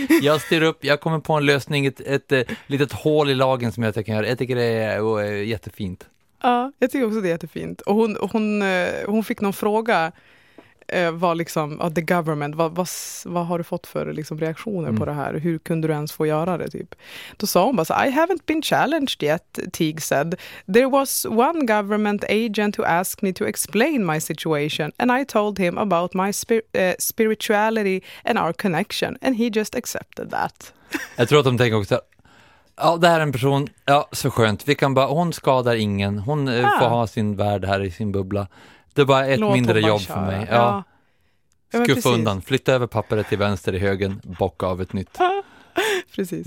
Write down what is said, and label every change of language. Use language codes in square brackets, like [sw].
[sv] Jag styr upp, jag kommer på en lösning. Ett litet hål i lagen som jag kan göra. Jag tycker det är jättefint. Ja, jag tycker också det är jättefint. Och hon fick någon fråga. Var liksom, the government, vad har du fått för liksom reaktioner på det här? Hur kunde du ens få göra det? Typ? Då sa hon bara så, [en] I haven't been challenged yet, Teague said. There was one government agent who asked me to explain my situation and I told him about my spirituality and our connection and he just accepted that. [sv] Jag tror att de tänker också, ja, det här är en person, ja, så skönt. Vi kan bara, hon skadar ingen. Hon får ha sin värld här i sin bubbla. Det är bara ett Låt mindre bara jobb köra. För mig. Ja. Skuffa undan. Flytta över pappret till vänster i högen. Bocka av ett nytt. Precis.